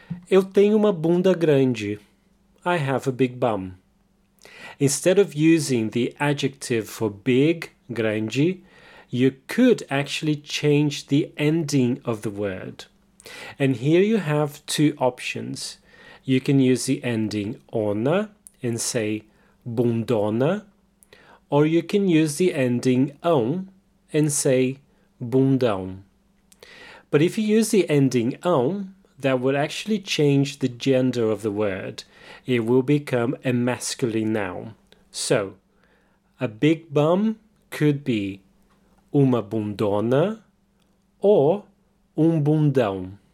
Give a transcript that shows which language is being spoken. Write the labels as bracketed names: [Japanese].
[Portuguese] Eu tenho uma bunda grande. [English] I have a big bum. Instead of using the adjective for big, grande, you could actually change the ending of the word. And here you have two options. You can use the ending ona and say bundona, or you can use the ending on and say bundão. But if you use the ending on, that would actually change the gender of the word. It will become a masculine noun. So, a big bum could be [Portuguese] uma bundona [English] or [Portuguese] um bundão.